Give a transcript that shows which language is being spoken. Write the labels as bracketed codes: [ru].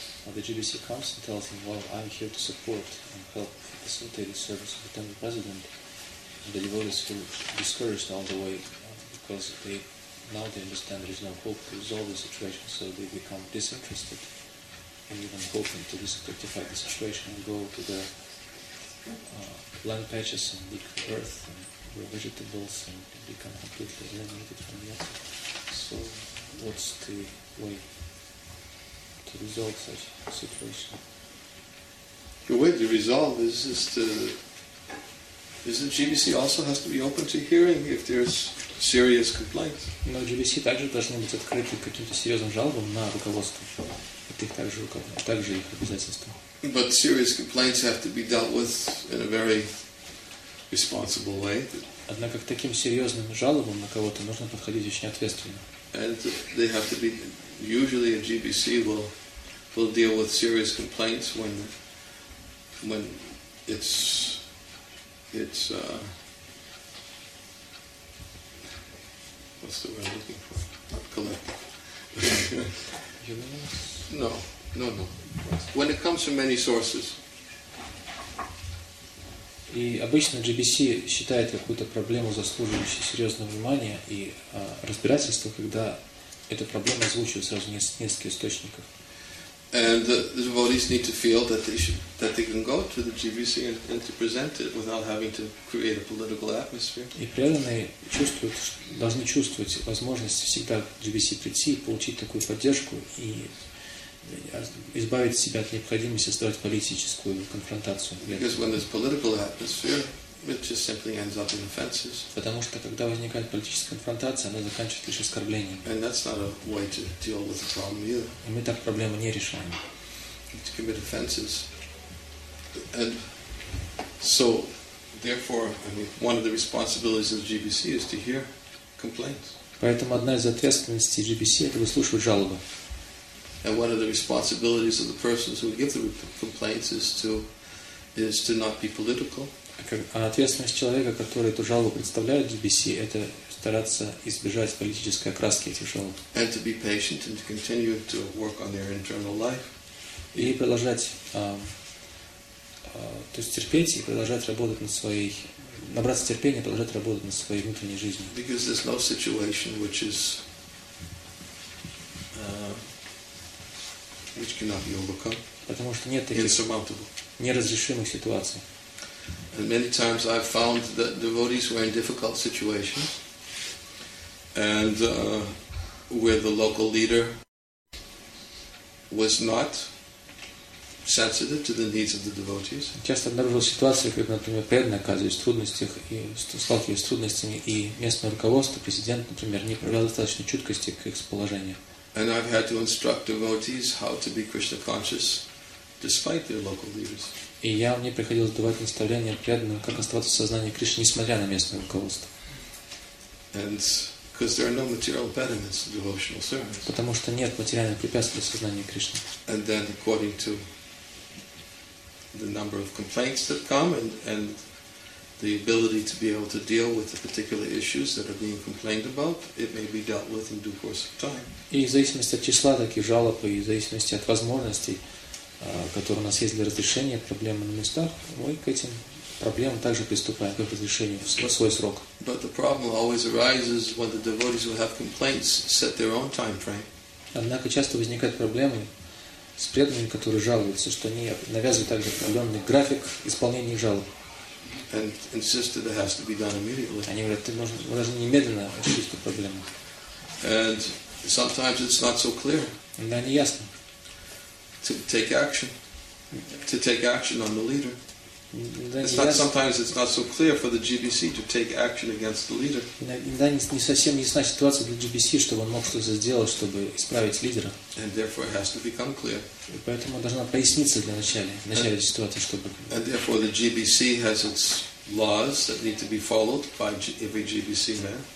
[en] But the GBC comes and tells him, well, I'm here to support and help facilitated service of the temple president, and the devotees feel discouraged all the way because they understand there is no hope to resolve the situation, so they become disinterested in even hoping to rectify the situation and go to the land patches and dig earth and grow vegetables and become completely eliminated from the earth. So what's the way to resolve such a situation? The way to resolve is that GBC also has to be open to hearing if there's serious complaints. [ru] Но GBC также должны быть открыты к каким-то серьезным жалобам на руководство. Это их также их обязательство. [en] But serious complaints have to be dealt with in a very responsible way. [ru] Однако к таким серьезным жалобам на кого-то нужно подходить очень ответственно. [en] And they have to be usually a GBC will deal with serious complaints when what's the word I'm looking for? Not collective. No. When it comes from many sources. [ru] И обычно GBC считает какую-то проблему заслуживающей серьезного внимания и разбирательства, когда эта проблема озвучивается сразу из нескольких источников. [en] And the devotees need to feel that they can go to the GBC and to present it without having to create a political atmosphere. [ru] И преданные чувствуют, должны чувствовать возможность всегда к GBC прийти и получить такую поддержку и избавить себя от необходимости создавать политическую конфронтацию. [en] Because when there's political atmosphere, it just simply ends up in offenses. [ru] Потому что когда возникает политическая конфронтация, она заканчивается лишь оскорблениями. [en] And that's not a way to deal with the problem either. [ru] И мы так проблему не решаем. [en] To commit offenses. And so, therefore, I mean, one of the responsibilities of GBC is to hear complaints. [ru] Поэтому одна из ответственностей GBC это выслушивать жалобы. [en] And one of the responsibilities of the persons who give the complaints is to not be political. [ru] А ответственность человека, который эту жалобу представляет GBC, это стараться избежать политической окраски этих жалоб. [en] And to be patient and to continue to work on their internal life. [ru] И продолжать работать над своей, набраться терпения, продолжать работать над своей внутренней жизнью. [en] Because there's no situation which is which cannot be overcome. [ru] Потому что нет таких неразрешимых ситуаций. [en] And many times I've found that devotees were in difficult situations and where the local leader was not sensitive to the needs of the devotees. [ru] Часто обнаруживал ситуации, когда, например, преданный оказывается в трудностях и сталкивается с трудностями, и местное руководство, президент, например, не проявлял достаточной чуткости к их положению. [en] And I've had to instruct devotees how to be Krishna conscious despite their local leaders. [ru] И я мне приходилось давать наставления преданным, как оставаться в сознании Кришны, несмотря на местное руководство. [en] And because there are no material impediments to devotional service. [ru] Потому что нет материальных препятствий для сознания Кришны. [en] And then according to the number of complaints that come and the ability to be able to deal with the particular issues that are being complained about, it may be dealt with in due course of time. [ru] И в зависимости от числа таких жалоб и в зависимости от возможностей, которые у нас есть для разрешения проблемы на местах, мы к этим проблемам также приступаем к разрешению в свой срок. [en] But the problem always arises when the devotees who have complaints set their own time frame. [ru] Однако часто возникают проблемы с преданными, которые жалуются, что они навязывают также определенный график исполнения их жалоб. [en] And insist that it has to be done immediately. [ru] Они говорят, ты должен немедленно решить эту проблему. [en] And sometimes it's not so clear. [ru] Иногда не ясно. [en] To take action on the leader. It's not sometimes it's not so clear for the GBC to take action against the leader. [ru] Иногда не совсем ясна ситуация для GBC, чтобы он мог что-то сделать, чтобы исправить лидера. [en] And therefore it has to become clear. [ru] И поэтому должна проясниться для начала, в начале ситуации, чтобы. [en] And therefore the GBC has its laws that need to be followed by every GBC man.